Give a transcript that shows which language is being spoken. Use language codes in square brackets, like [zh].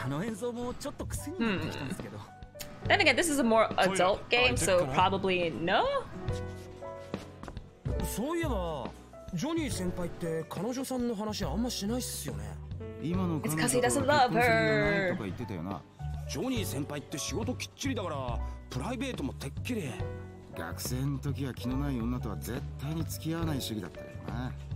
[ja] あの演奏もちょっと癖になってきたんですけど。 [en] Then again, this is a more adult game, so probably no. [ja] そういえば、ジョニー先輩って彼女さんの話あんましないっすよね。今の彼女さんとは結婚するんじゃないとか言ってたよな。ジョニー先輩って仕事きっちりだから、プライベートもてっきり。学生の時は気のない女とは絶対に付き合わない主義だったよな。